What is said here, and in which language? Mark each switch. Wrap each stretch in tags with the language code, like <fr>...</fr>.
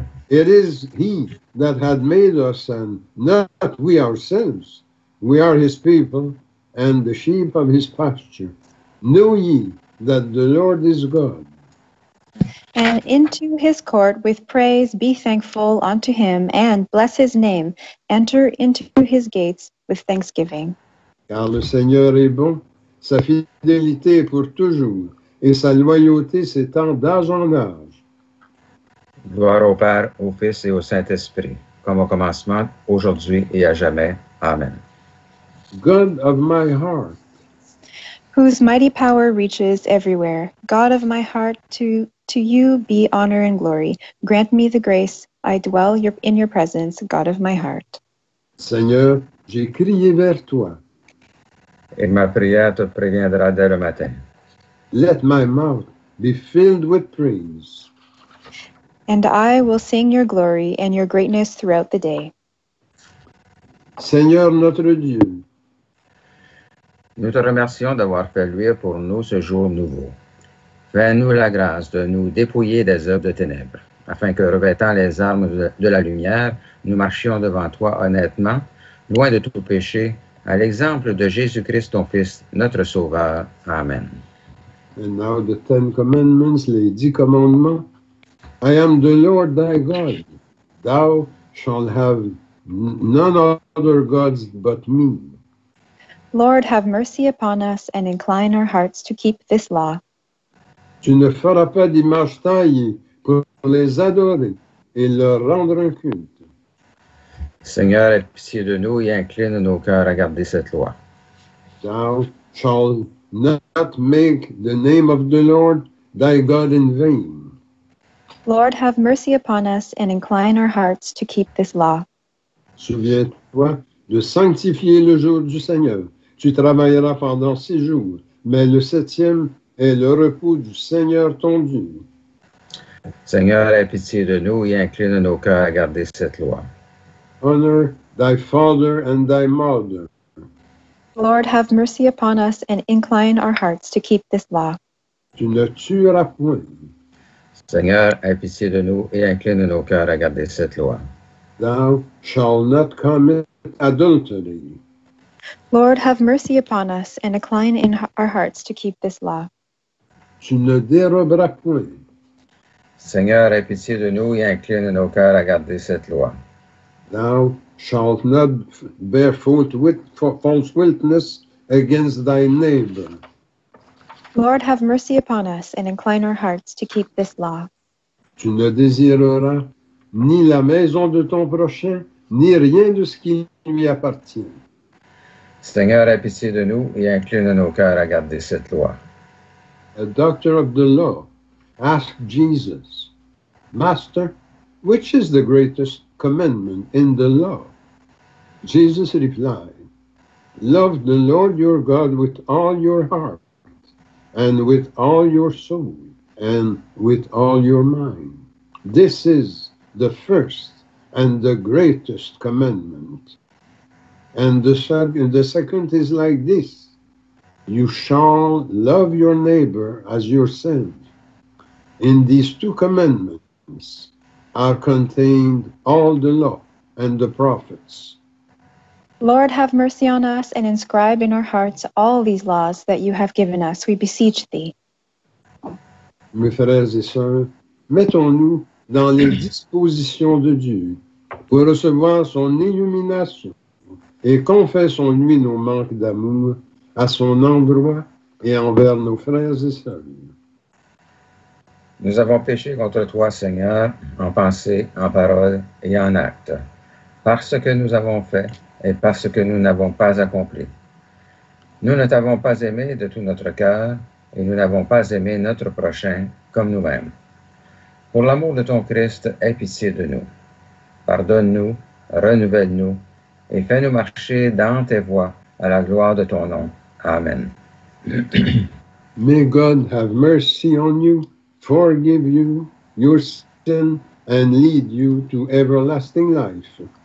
<en>It is he that had made us, and not we ourselves. We are his people, and the sheep of his pasture. Know ye that the Lord is God. And into his court with praise be thankful unto him, and bless his name. Enter into his gates with thanksgiving.</en> <fr>Car le Seigneur est bon, sa fidélité est pour toujours, et sa loyauté s'étend d'âge en âge. Gloire au Père, au Fils et au Saint-Esprit, comme au commencement, aujourd'hui et à jamais. Amen.</fr> <en>God of my heart, whose mighty power reaches everywhere, God of my heart, to you be honor and glory. Grant me the grace, I dwell in your presence, God of my heart.</en> <fr>Seigneur, j'ai crié vers toi. Et ma prière te préviendra dès le matin.</fr> <en>Let my mouth be filled with praise. And I will sing your glory and your greatness throughout the day.</en> <fr>Seigneur notre Dieu, nous te remercions d'avoir fait luire pour nous ce jour nouveau. Fais-nous la grâce de nous dépouiller des œuvres de ténèbres, afin que, revêtant les armes de la lumière, nous marchions devant toi honnêtement, loin de tout péché, à l'exemple de Jésus-Christ, ton Fils, notre Sauveur. Amen.</fr> <en>And now the Ten Commandments,</en> <fr>les dix commandements.</fr> <en>I am the Lord thy God. Thou shalt have none other gods but me. Lord, have mercy upon us and incline our hearts to keep this law.</en> <fr>Tu ne feras pas d'image taillée pour les adorer et leur rendre un culte. Seigneur, aie pitié de nous et incline nos cœurs à garder cette loi.</fr> <en>Thou shalt not make the name of the Lord thy God in vain. Lord, have mercy upon us and incline our hearts to keep this law.</en> <fr>Souviens-toi de sanctifier le jour du Seigneur. Tu travailleras pendant six jours, mais le septième est le repos du Seigneur ton Dieu. Seigneur, aie pitié de nous et incline nos cœurs à garder cette loi.</fr> <en>Honor thy father and thy mother. Lord, have mercy upon us and incline our hearts to keep this law.</en> <fr>Tu ne tueras point. Seigneur, aie pitié de nous et incline nos cœurs à garder cette loi.</fr> <en>Thou shalt not commit adultery. Lord, have mercy upon us and incline in our hearts to keep this law.</en> <fr>Tu ne déroberas point. Seigneur, aie pitié de nous et incline nos cœurs à garder cette loi.</fr> <en>Thou shalt not bear false witness against thy neighbor. Lord, have mercy upon us and incline our hearts to keep this law.</en> <fr>Tu ne désireras ni la maison de ton prochain, ni rien de ce qui lui appartient. Seigneur, aie pitié de nous et incline nos cœurs à garder cette loi.</fr> <en>A doctor of the law asked Jesus, Master, which is the greatest commandment in the law? Jesus replied, Love the Lord your God with all your heart, and with all your soul, and with all your mind. This is the first and the greatest commandment. And the second is like this, You shall love your neighbor as yourself. In these two commandments are contained all the law and the prophets. Lord, have mercy on us and inscribe in our hearts all these laws that you have given us, we beseech thee.</en> <fr>Mes frères et sœurs, mettons-nous dans les dispositions de Dieu pour recevoir son illumination et confessons-lui nos manques d'amour à son endroit et envers nos frères et sœurs. Nous avons péché contre toi, Seigneur, en pensée, en parole et en acte, parce que nous avons fait et parce que nous n'avons pas accompli. Nous ne t'avons pas aimé de tout notre cœur, et nous n'avons pas aimé notre prochain comme nous-mêmes. Pour l'amour de ton Christ, aie pitié de nous. Pardonne-nous, renouvelle-nous, et fais-nous marcher dans tes voies à la gloire de ton nom. Amen.</fr> <en>May God have mercy on you, forgive you your sin, and lead you to everlasting life.</en>